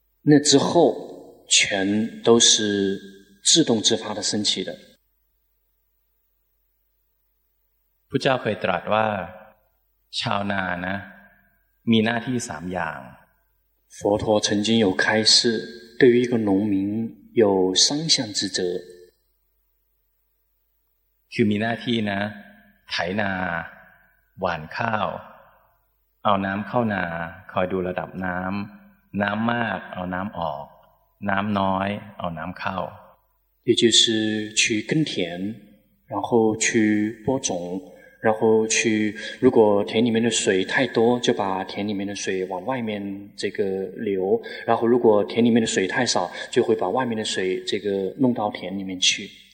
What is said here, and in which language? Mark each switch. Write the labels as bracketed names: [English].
[Chinese] 那之后全都是自动自发的升起的。 [Thai] พุทธเจ้าเคยตรัสว่าชาวนานะมีหน้าที่สามอย่าง。 [Chinese] 佛陀曾经有开示，对于一个农民有三项职责。 [Thai] คือมีหน้าที่นะไถนาหว่านข้าวเอาน้ำเข้านาคอยดูระดับน้ำน้ำมากเอาน้ำออกน้ำน้อยเอาน้ำเข้า [Chinese] 也就是去耕田然后去播种然后去如果田里面的水太多就把田里面的水往外面这个流然后如果田里面的水太少就会把外面的水这个弄到田里面去